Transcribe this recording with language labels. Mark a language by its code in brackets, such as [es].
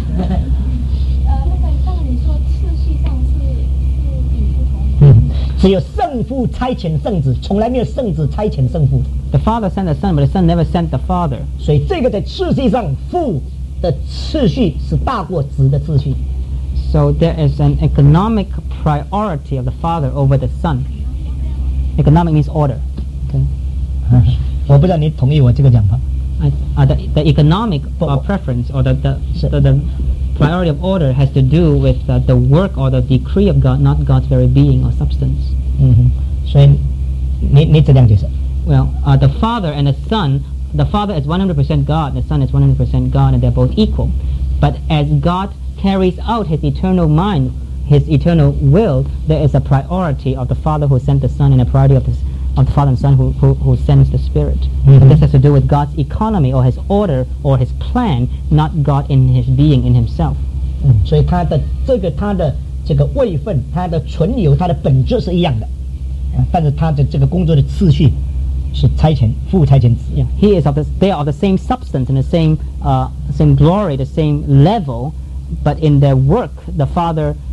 [zh] 那个上面你说次序上是与不同。只有圣父差遣圣子，从来没有圣子差遣圣父。 [en] The Father sent the Son, but the Son never sent the Father。 [zh] 所以这个在次序上，父的次序是大过子的次序。 [en] So there is an economic priority of the Father over the Son. Economic means order. OK、 [zh] 啊。我不知道你同意我这个讲法。 [en] The economic preference or the priority of order has to do with the work or the decree of God, not God's very being or substance. [zh] 嗯哼，所以你这样解释。 [en] Well, the Father and the Son, the Father is 100% God, the Son is 100% God, and they're both equal. But as God carries out His eternal mind, His eternal will, there is a priority of the Father who sent the Son and a priority of the of the Father and Son who sends the Spirit.、 Mm-hmm. And this has to do with God's economy or His order or His plan, not God in His being, in Himself.、 Mm-hmm. [zh] 所以他的这个他的这个位分他的存有他的本质是一样的、但是他的这个工作的次序是差遣父差遣子、 yeah. [en] He is of the, they are of the same substance and the same,、same glory, the same level, but in their work, the Father...